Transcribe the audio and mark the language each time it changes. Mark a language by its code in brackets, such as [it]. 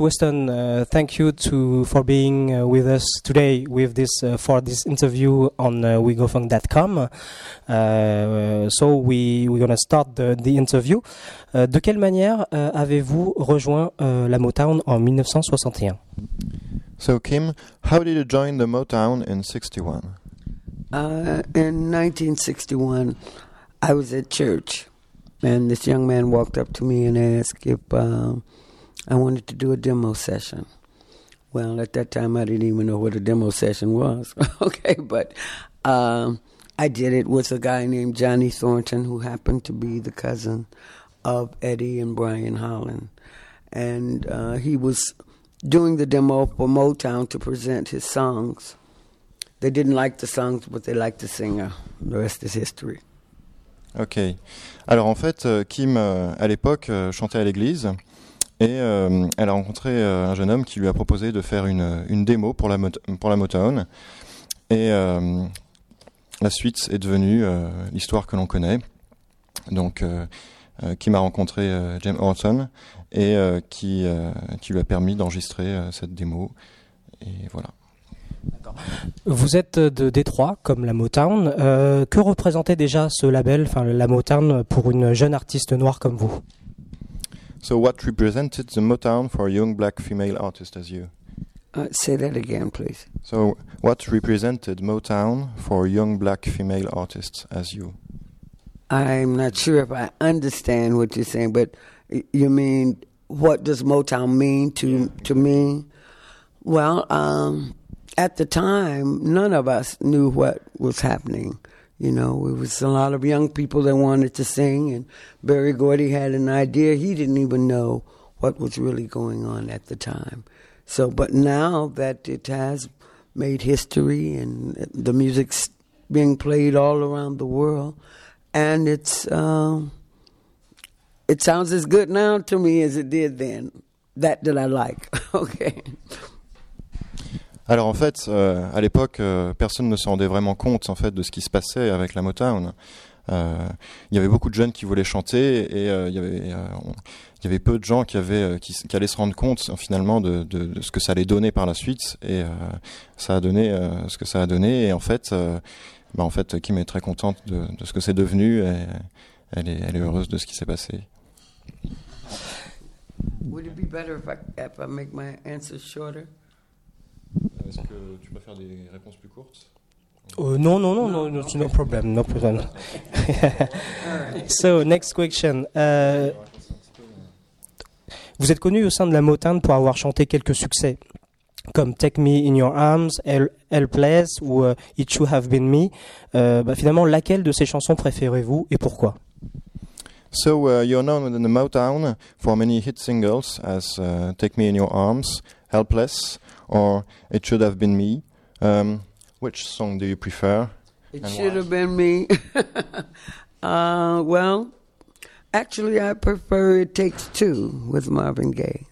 [en] Weston, thank you for being with us today with this for this interview on wigofunk.com. So we're gonna start the interview. [fr] De quelle manière avez-vous rejoint la Motown en 1961? [en] So Kim, how did you join the Motown in 61? In 1961, I was at church, and this young man walked up to me and asked if I wanted to do a demo session. Well, at that time, I didn't even know what a demo session was. Okay, but I did it with a guy named Johnny Thornton, who happened to be the cousin of Eddie and Brian Holland. And he was doing the demo for Motown to present his songs. They didn't like the songs, but they liked the singer. The rest is history. Ok. [fr] Alors en fait, Kim, à l'époque, chantait à l'église et elle a rencontré un jeune homme qui lui a proposé de faire une démo pour la Motown. Et la suite est devenue l'histoire que l'on connaît. Donc, Kim a rencontré James Horton et qui lui a permis d'enregistrer cette démo. Et voilà. Vous êtes de Détroit, comme la Motown. Que représentait déjà ce label, enfin la Motown, pour une jeune artiste noire comme vous? [en] So what represented the Motown for a young black female artist as you? Say that again, please. So what represented Motown for a young black female artist as you? I'm not sure if I understand what you're saying, but you mean what does Motown mean to me? Well, at the time, none of us knew what was happening. You know, it was a lot of young people that wanted to sing, and Berry Gordy had an idea. He didn't even know what was really going on at the time. So, but now that it has made history and the music's being played all around the world, and it sounds as good now to me as it did then. That I like. Okay. [fr] Alors en fait, à l'époque, personne ne se rendait vraiment compte en fait de ce qui se passait avec la Motown. Il y avait beaucoup de jeunes qui voulaient chanter et il y avait peu de gens qui allaient se rendre compte finalement de ce que ça allait donner par la suite. Et ça a donné ce que ça a donné. Et en fait, Kim est très contente de ce que c'est devenu. Et elle est heureuse de ce qui s'est passé. [en] Would it be better if I make my answer shorter? [fr] Est-ce que tu peux faire des réponses plus courtes? Non, non, non, non, non, [en] no problem, no problem. So, next question. [fr] Vous êtes connu au sein de la Motown pour avoir chanté quelques succès, comme Take Me In Your Arms, Helpless ou It Should Have Been Me. Finalement, laquelle de ces chansons préférez-vous et pourquoi? [en] So, you're known in the Motown for many hit singles as Take Me In Your Arms, Helpless, or It Should Have Been Me. Which song do you prefer? It Should Have Been Me. well, actually, I prefer It Takes Two with Marvin Gaye.